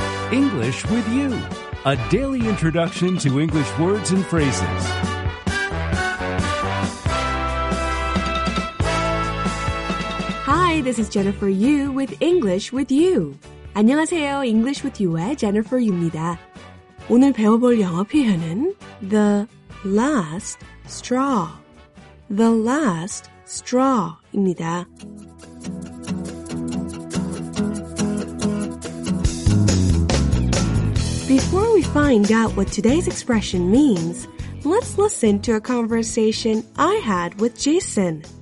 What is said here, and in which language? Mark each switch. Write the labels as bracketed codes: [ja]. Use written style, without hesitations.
[en] English with you, a daily introduction to English words and phrases. Hi, this is Jennifer Yu with English with you. [ko] 안녕하세요, English with you의 Jennifer Yu입니다. 오늘 배워볼 영어 표현은 The Last Straw. The Last Straw입니다. [en] Before we find out what today's expression means, let's listen to a conversation I had with Jason.